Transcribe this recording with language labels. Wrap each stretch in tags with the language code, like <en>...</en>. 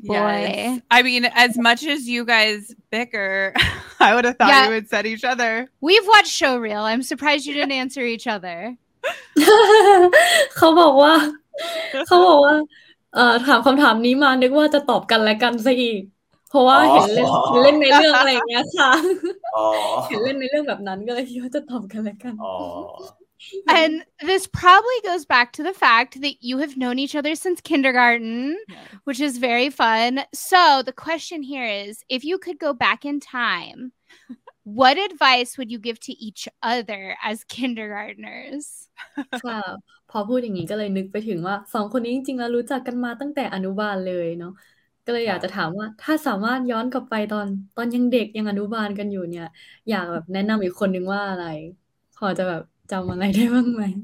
<en>Yes. I mean, as much as you guys bicker, I would have thought we would set each other. We've watched Showreel. I'm surprised you didn't answer each other. He said that. He said that. He asked this question. I thought he would answer each other again.</en> <th>เพราะว่าเห็นเล่นในเรื่องอะไรเงี้ยค่ะเห็นเล่นในเรื่องแบบนั้นก็เลยคิดว่าจะตอบกันแล้วกัน</th> <en>And this probably goes back to the fact that you have known each other since kindergarten, which is very fun. So the question here is, if you could go back in time, What advice would you give to each other as kindergartners?</en> <th>ค่ะพอพูดอย่างนี้ก็เลยนึกไปถึงว่าสองคนนี้จริงๆแล้วรู้จักกันมาตั้งแต่อนุบาลเลยเนาะก็เลยอยากจะถามว่าถ้าสามารถย้อนกลับไปตอนยังเด็กยังอนุบาลกันอยู่เนี่ยอยากแบบแนะนำอีกคนนึงว่าอะไรพอจะแบบจำอะไรได้บ้างไหม</th>